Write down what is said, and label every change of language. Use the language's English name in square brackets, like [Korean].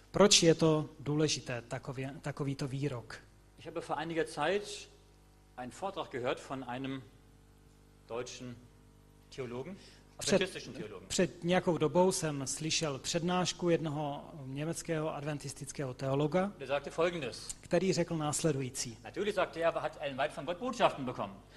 [Czech] Proč je to důležité, takovýto výrok? [German] Ich habe vor einiger Zeit einen Vortrag gehört von einem deutschen Theologen, adventistischen Theologen. [Czech] Před nějakou dobou jsem slyšel přednášku jednoho německého adventistického teologa, který řekl následující. [German] Natürlich sagte er, aber hat einen weit von Gott Botschaften bekommen.